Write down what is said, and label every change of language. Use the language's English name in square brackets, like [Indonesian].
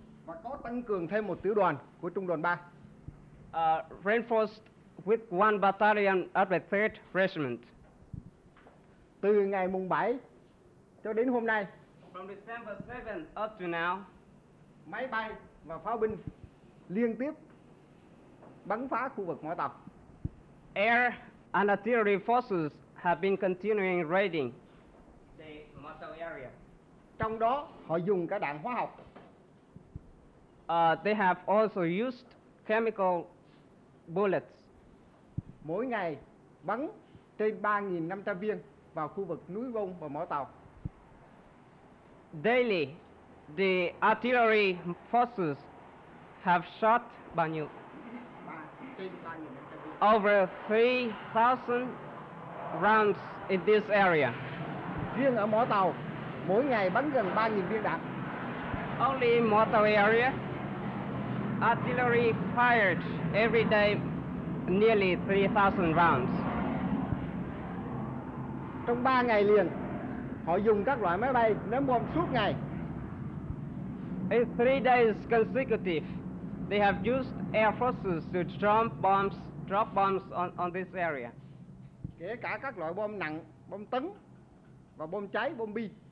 [Vietnamese] Và có tăng cường thêm một tiểu đoàn của trung đoàn 3. [English] Reinforced with one battalion of the 3rd Regiment. [Vietnamese] Từ ngày mùng 7 cho đến hôm nay, [English] from December 7th up to now, [Vietnamese] máy bay và pháo binh liên tiếp bắn phá khu vực mỏ tàu. [English] Air and artillery forces have been continuing raiding the Mato area. [Vietnamese] Trong đó, họ dùng cả đạn hóa học. [English] They have also used chemical bullets. [Vietnamese] Mỗi ngày bắn trên 3,500 viên vào khu vực núi Vông và mỏ tàu. [English] Daily, the artillery forces have shot [Vietnamese] bao nhiêu? [English] Over 3,000 rounds in this area. [Vietnamese] Riêng ở mỏ tàu, mỗi ngày bắn gần 3,000 viên đạn. [English] Only in mỏ tàu area, artillery fired every day nearly 3,000 rounds. [Vietnamese] Trong 3 ngày liền, họ dùng các loại máy bay ném bom suốt ngày. [English] In 3 days consecutive, they have used air forces to drop bombs on this area. [Vietnamese] Kể cả các loại bom nặng, bom tấn và bom cháy, bom bi.